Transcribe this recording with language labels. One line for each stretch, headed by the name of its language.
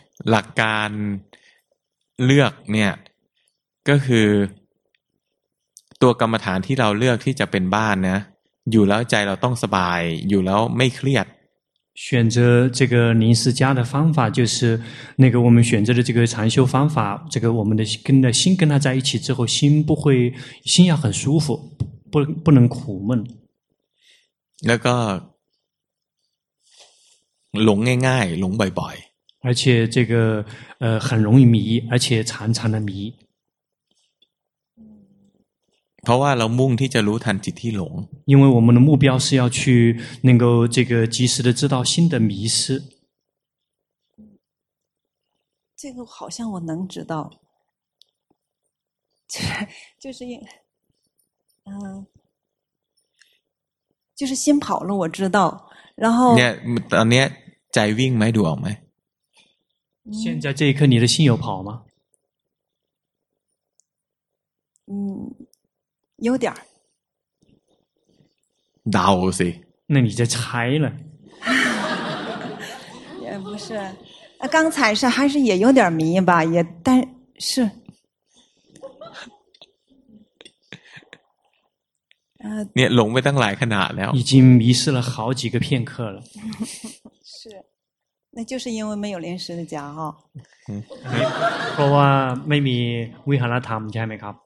Thai: หลักการเลือกเนี่ยก็คือตัวกรรมฐานที่เราเลือกที่จะเป็นบ้านนะอยู่แล้วใจเราต้องสบายอยู่แล้วไม่เครียด
Chinese: 选择这个临时家的方法就是那个我们选择的这个禅修方法这个我们的跟的心跟他在一起之后心不会心要很舒服不能苦闷
Thai: แล้วก็หลงง่ายๆหลงบ่อย
Chinese: ๆ而且这个很容易迷而且常常的迷
Thai: เพราะว่าเรามุ่งที่จะรู้ทันจิตที่หลง
Chinese: 因为我们的目标是要去能够这个及时的知道心的迷失这个好像我能知道就是就是心跑了我知道然后你
Thai: ตอนนี้ใจวิ่งไหมดูออกไหม
Chinese: 现在这一刻你的心有跑吗有点儿
Thai: เดาสิ
Chinese: 那你在猜了也不是刚才是还是也有点迷吧也但是
Thai: เนี่ยหลงไปตั้งหลายขนาดแล้ว
Chinese: 已经迷失了好几个片刻了是那就是因为没有临时的家哈
Thai: เพราะว่าไม่มีวิหารธรรมใช่ไหมครับ